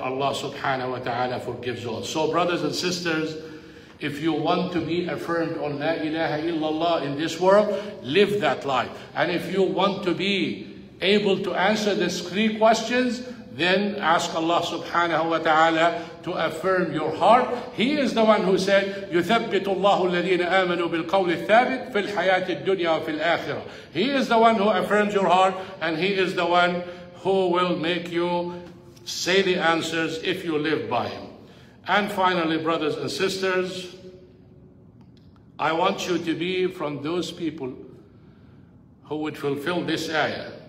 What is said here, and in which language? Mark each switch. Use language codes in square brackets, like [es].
[en] Allah subhanahu wa ta'ala forgives all. So brothers and sisters, if you want to be affirmed on la ilaha illallah in this world, live that life. And if you want to be able to answer these three questions, then ask Allah subhanahu wa ta'ala to affirm your heart. He is the one who said, [ar] يُثَبِّتُ اللَّهُ الَّذِينَ آمَنُوا بِالْقَوْلِ الثَّابِتِ فِي الْحَيَاةِ الدُّنْيَا وَفِي الْآخِرَةِ. [en] He is the one who affirms your heart, and he is the one who will make you say the answers if you live by him. And finally, brothers and sisters, I want you to be from those people who would fulfill this ayah.